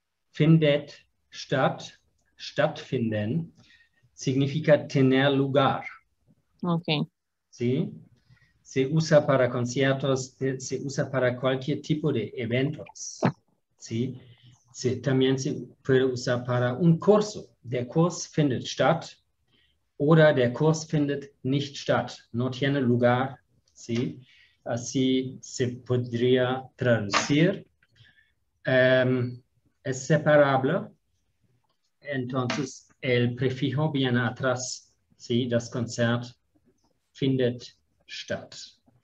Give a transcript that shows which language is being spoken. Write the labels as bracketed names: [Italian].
[Spanish] Findet statt, stattfinden, significa tener lugar. Ok. Sí. Se usa para conciertos, se usa para cualquier tipo de eventos. Sí. Se, también se puede usar para un curso. [German] Der Kurs findet statt. Oder der Kurs findet nicht statt. [Spanish] No tiene lugar. ¿Sí? Así se podría traducir. Es separable. Entonces, el prefijo viene atrás. ¿Sí? [German] Das Konzert findet statt.